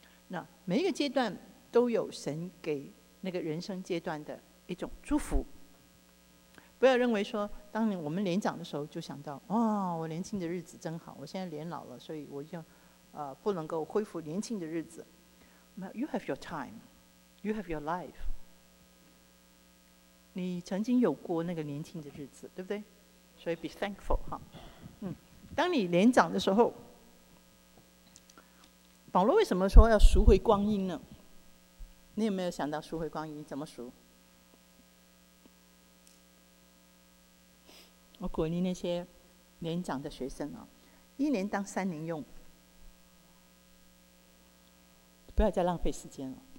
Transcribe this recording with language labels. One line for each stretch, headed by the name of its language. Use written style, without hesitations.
Chinese: 那每一个阶段都有神给那个人生阶段的一种祝福，不要认为说当我们年长的时候就想到哦，我年轻的日子真好，我现在年老了，所以我就不能够恢复年轻的日子。
English: You have your time, you have your life,
Chinese: 你曾经有过那个年轻的日子，对不对？所以
English: be thankful
Chinese: 哈。当你年长的时候，保罗为什么说要赎回光阴呢？你有没有想到赎回光阴怎么赎？我鼓励那些年长的学生一年当三年用，不要再浪费时间了。